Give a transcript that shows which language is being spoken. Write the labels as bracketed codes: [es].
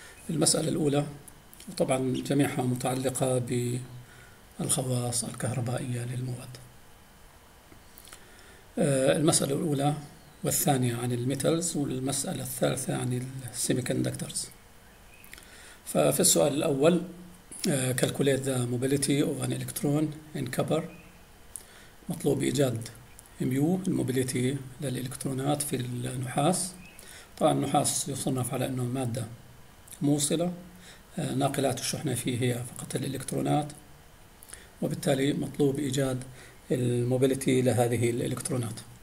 [ar] المسألة الأولى، وطبعا جميعها متعلقة بالخواص الكهربائية للمواد. المسألة الأولى والثانية عن الميتلز، والمسألة الثالثة عن السيمي كوندكترز. ففي السؤال الأول، [en] calculate the mobility of an electron in copper. [ar] مطلوب إيجاد ميو الموبيليتي للإلكترونات في النحاس. طبعا النحاس يصنف على أنه مادة موصلة، ناقلات الشحنة فيه هي فقط الإلكترونات، وبالتالي مطلوب إيجاد الموبيليتي لهذه الإلكترونات.